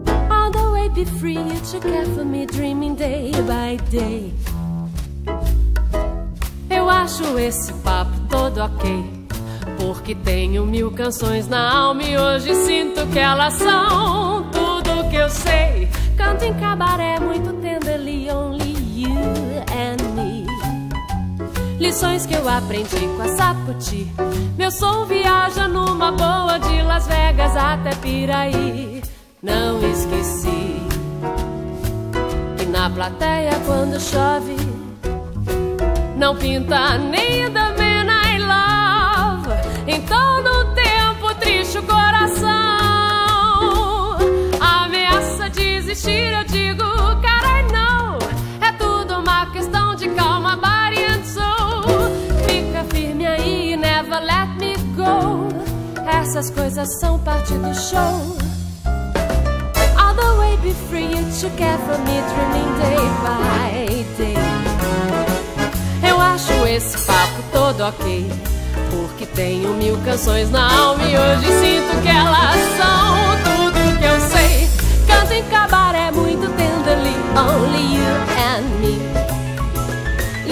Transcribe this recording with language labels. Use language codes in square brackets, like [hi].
[en] All the way be free, you took care for me, dreaming day by day. [pt] Eu acho esse papo todo ok, porque tenho mil canções na alma e hoje sinto que elas são tudo que eu sei. Canto em cabaré muito [en] tenderly, only you and me. [pt] Lições que eu aprendi com a Sapoti. Meu som viaja numa boa de Las Vegas até Piraí. Não esqueci que na plateia quando chove não pinta nem The Man I Love. Em todo o tempo triste o coração ameaça desistir, eu digo, cara, [en] I know. [pt] É tudo uma questão de calma, [en] body and soul. [pt] Fica firme aí, [en] never let me go. [pt] Essas coisas são parte do show. [en] All the way be free, you took care for me, dreaming day by day. [pt] Acho esse papo todo ok, porque tenho mil canções na alma e hoje sinto que elas são tudo que eu sei. Canto em cabaré muito [en] tenderly, only you and me.